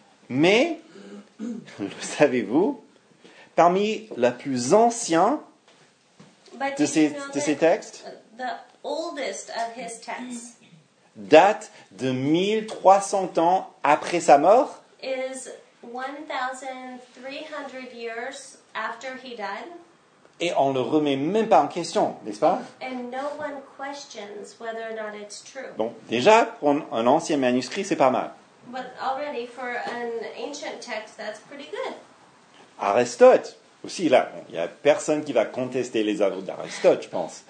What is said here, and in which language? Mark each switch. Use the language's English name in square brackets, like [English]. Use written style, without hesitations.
[French] Mais, le savez-vous, parmi la plus ancienne de ses textes, [English] the oldest of his texts, [French] date de 1300 ans après sa mort, [English] is 1300 years after he died. [French] Et on le remet même pas en question, n'est-ce pas? [English] And no one questions whether or not it's true. [French] Bon, déjà, pour un ancien manuscrit, c'est pas mal. [English] But already for an ancient text, that's pretty good. [French] Aristote aussi, là, bon, y a personne qui va contester les œuvres d'Aristote, je pense.